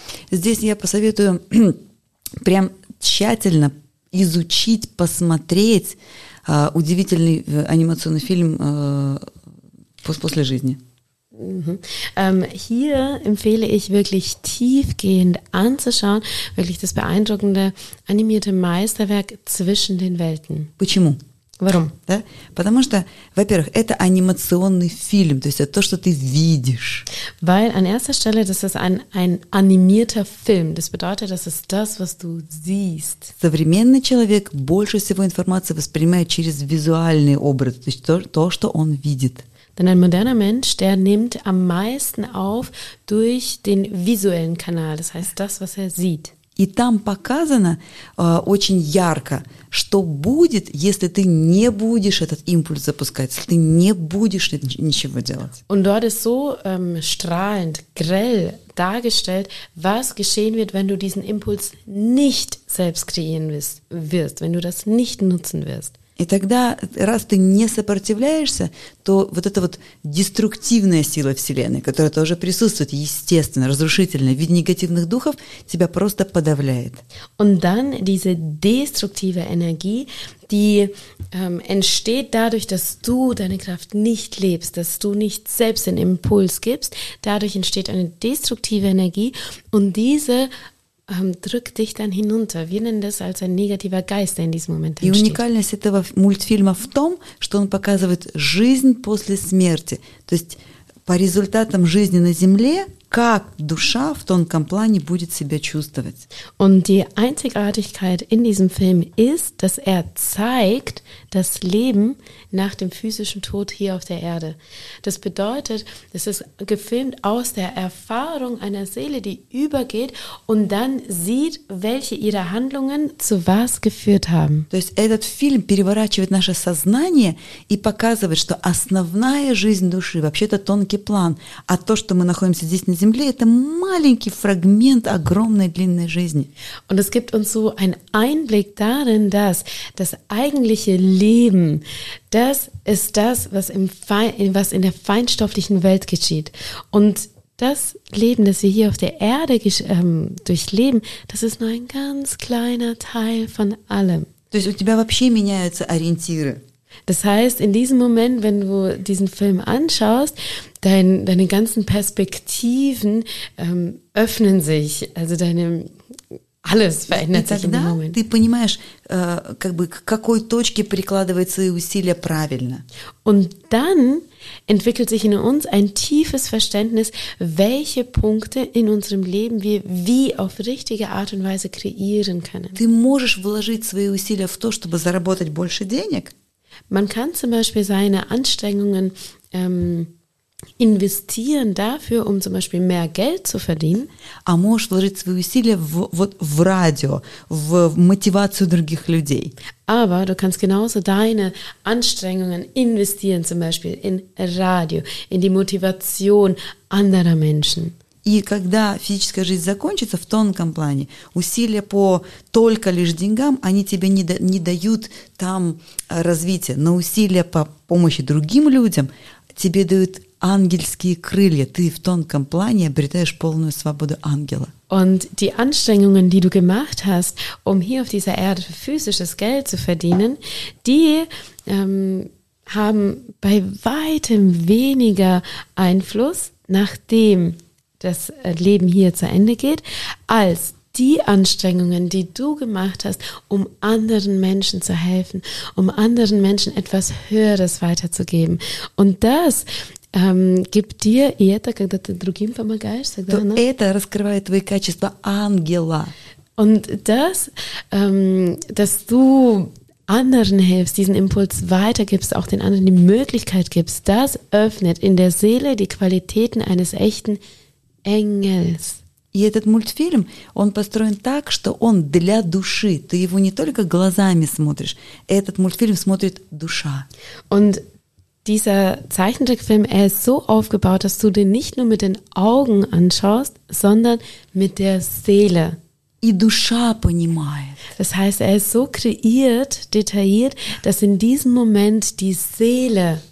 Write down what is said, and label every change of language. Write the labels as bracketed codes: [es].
[ru] Здесь я посоветую прям тщательно изучить, посмотреть удивительный анимационный фильм «После жизни». [de] Hier empfehle ich wirklich tiefgehend anzuschauen, wirklich das beeindruckende animierte Meisterwerk zwischen den Welten. [ru] Почему? [de] Warum? [ru] Да? Потому что, во-первых, это анимационный фильм, то есть это то, что ты видишь. [de] Weil an erster Stelle, das ist ein animierter Film. Das bedeutet, das ist das, was du siehst. [ru] Современный человек больше всего информации воспринимает через визуальный образ, то есть то, что он видит. [de] Denn ein moderner Mensch, der nimmt am meisten auf durch den visuellen Kanal, das heißt das, was er sieht. [ru] И там показано очень ярко, что будет, если ты не будешь этот импульс запускать, если ты не будешь ничего делать. [de] Und dort ist so strahlend, grell dargestellt, was geschehen wird, wenn du diesen Impuls nicht selbst kreieren wirst, wenn du das nicht nutzen wirst. [ru] И тогда, раз ты не сопротивляешься, то вот эта вот деструктивная сила Вселенной, которая тоже присутствует, естественно, разрушительная, в виде негативных духов, тебя просто подавляет. [de] Und dann diese destruktive Energie, die entsteht dadurch, dass du deine Kraft nicht lebst, dass du nicht selbst den Impuls gibst, dadurch entsteht eine destruktive Energie und diese drückt dich dann hinunter. Wir nennen das als ein negativer Geist, der in diesem Moment entsteht. [ru] И уникальность этого мультфильма в том, что он показывает жизнь после смерти. То есть по результатам жизни на Земле, как душа в тонком плане будет себя чувствовать. [de] Und die Einzigartigkeit in diesem Film ist, dass zeigt das Leben nach dem physischen Tod hier auf der Erde. Das bedeutet, es ist gefilmt aus der Erfahrung einer Seele, die übergeht und dann sieht, welche ihre Handlungen zu was geführt haben. [ru] То есть этот фильм переворачивает наше сознание и показывает, что основная жизнь души вообще-то тонкий план, а то, что мы находимся здесь на Земле, это маленький фрагмент огромной длинной жизни. [de] Und es gibt uns so einen Einblick darin, dass das eigentliche Leben, das ist das, was in der feinstofflichen Welt geschieht. Und das Leben, das wir hier auf der Erde durchleben, das ist nur ein ganz kleiner Teil von allem. [ru] То есть у тебя вообще меняются ориентиры. [de] Das heißt, in diesem Moment, wenn du diesen Film anschaust, deine ganzen Perspektiven öffnen sich, also deine alles verändert sich im Moment. [ru] Ты понимаешь, как бы, к какой точке прикладывать свои усилия правильно. [de] Und dann entwickelt sich in uns ein tiefes Verständnis, welche Punkte in unserem Leben wir wie auf richtige Art und Weise kreieren können. [ru] Ты можешь вложить свои усилия в то, чтобы заработать больше денег. [de] Man kann zum Beispiel seine Anstrengungen investieren dafür, um zum Beispiel mehr Geld zu verdienen. [ru] А можешь вложить свои усилия в радио, в мотивацию других людей. [de] Aber du kannst genauso deine Anstrengungen investieren, zum Beispiel in Radio, in die Motivation anderer Menschen. [ru] И когда физическая жизнь закончится в тонком плане, усилия по только лишь деньгам, они тебе не дают там развития. Но усилия по помощи другим людям тебе дают ангельские крылья. Ты в тонком плане обретаешь полную свободу ангела. [de] Und die Anstrengungen, die du gemacht hast, um hier auf dieser Erde physisches Geld zu verdienen, die haben bei weitem weniger Einfluss, nachdem das Leben hier zu Ende geht, als die Anstrengungen, die du gemacht hast, um anderen Menschen zu helfen, um anderen Menschen etwas Höheres weiterzugeben. Und das gibt dir, [ru] и это, когда ты другим помогаешь, тогда она... это раскрывает твои качества ангела. [de] Und das, dass du anderen hilfst, diesen Impuls weitergibst, auch den anderen die Möglichkeit gibst, das öffnet in der Seele die Qualitäten eines echten Engels. [ru] И этот мультфильм, он построен так, что он для души. Ты его не только глазами смотришь, этот мультфильм смотрит душа. [de] Und dieser Zeichentrickfilm, er ist so aufgebaut, dass du den nicht nur mit den Augen anschaust, sondern mit der Seele. [ru] И душа понимает. [de] Das heißt, er ist so kreiert, detailliert, dass in diesem Moment die Seele